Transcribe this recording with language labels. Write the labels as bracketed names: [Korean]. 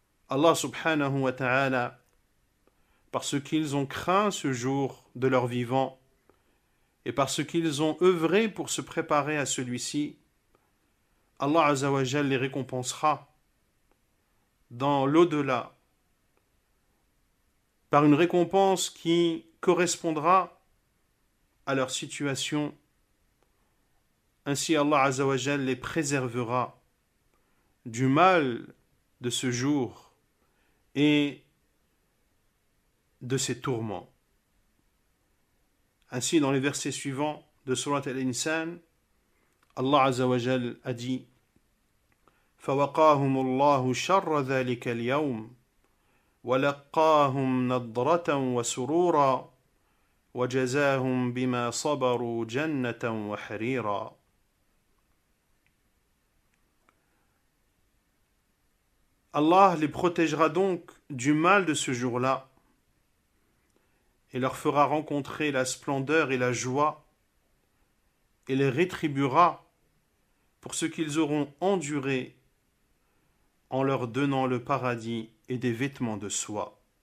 [French] Allah subhanahu wa ta'ala, parce qu'ils ont craint ce jour de leur vivant et parce qu'ils ont œuvré pour se préparer à celui-ci, Allah Azzawajal les récompensera dans l'au-delà par une récompense qui correspondra à leur situation. Ainsi Allah Azzawajal les préservera du mal de ce jour et de ses tourments. Ainsi dans les versets suivants de Sourate Al-Insan, Allah Azzawajal a dit: [Arabic] فوقاهم الله شر ذلك اليوم ولقاهم نضرة وسرورا وجزاهم بما صبروا جنة وحريرا. [French] Allah les protégera donc du mal de ce jour-là et leur fera rencontrer la splendeur et la joie et les rétribuera pour ce qu'ils auront enduré en leur donnant le paradis et des vêtements de soie.